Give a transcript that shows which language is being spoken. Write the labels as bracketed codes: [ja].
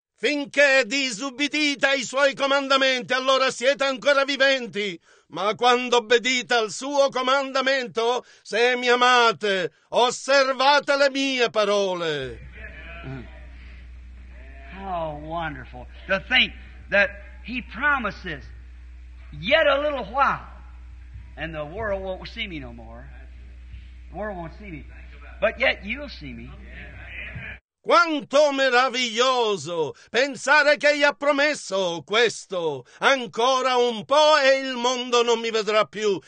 [it] Finché disubbidite ai suoi comandamenti, allora siete ancora viventi. Ma quando obbedite al suo comandamento, se mi amate, osservate le mie parole. [en] How wonderful to think that he promises yet a little while and the world won't see me no more. The world won't see me. But yet you'll see me. [it] Quanto meraviglioso pensare che gli ha promesso questo. Ancora un po' e il mondo non mi vedrà più.